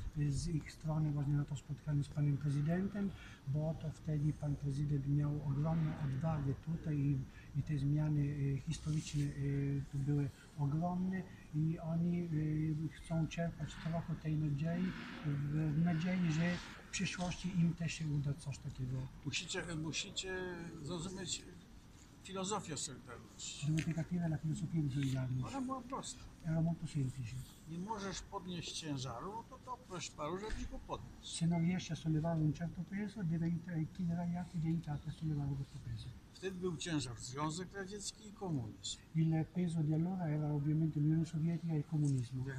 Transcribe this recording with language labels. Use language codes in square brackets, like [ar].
[pl] Z ich strony właśnie na to spotkanie z panem prezydentem, bo to wtedy pan prezydent miał ogromną odwagę tutaj i te zmiany historyczne tu były ogromne i oni chcą czerpać trochę tej nadziei, w nadziei, że w przyszłości im też się uda coś takiego. Musicie zrozumieć filozofię solidarności. Żeby tylko tyle na filozofię solidarności. Ona była prosta. [it] Era molto semplice. [pl] Nie możesz podnieść ciężaru, no to proś paru, żeby go podnieść. [it] Se non riesci a sollevare un certo peso, chiederai altri di aiutarti a sollevare questo peso. [pl] Wtedy był ciężar Związek Radziecki i komunizm. [it] Il peso di allora era ovviamente l'Unione Sovietica e il comunismo.